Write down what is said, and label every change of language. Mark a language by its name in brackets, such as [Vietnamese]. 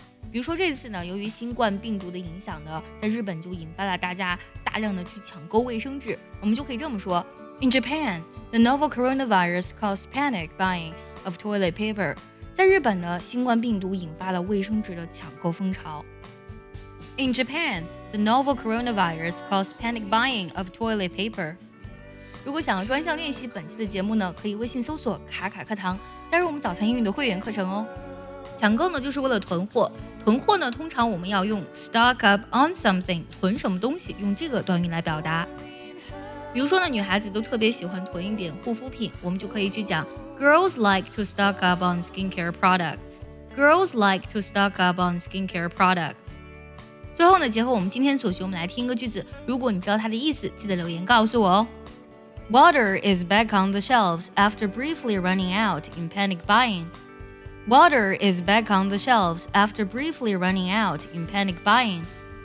[Chinese] 比如说这次呢由于新冠病毒的影响呢，在日本就引发了大家大量的去抢购卫生纸，我们就可以这么说， [English] In Japan, the novel coronavirus caused panic buying of toilet paper。 [Chinese] 在日本呢新冠病毒引发了卫生纸的抢购风潮。 [English] In Japan, the novel coronavirus caused panic buying of toilet paper. [Chinese] 如果想要专项练习本期的节目呢，可以微信搜索卡卡课堂，加入我们早餐英语的会员课程哦。抢购呢，就是为了囤货。囤货呢，通常我们要用 [English] stock up on something, [Chinese] 囤什么东西，用这个短语来表达。比如说呢，女孩子都特别喜欢囤一点护肤品，我们就可以去讲 [English] girls like to stock up on skincare products. Girls like to stock up on skincare products. [Chinese] 最后呢，结合我们今天所学，我们来听一个句子。如果你知道它的意思，记得留言告诉我哦。 [English] Water is back on the shelves after briefly running out in panic buying. Water is back on the shelves after briefly running out in panic buying.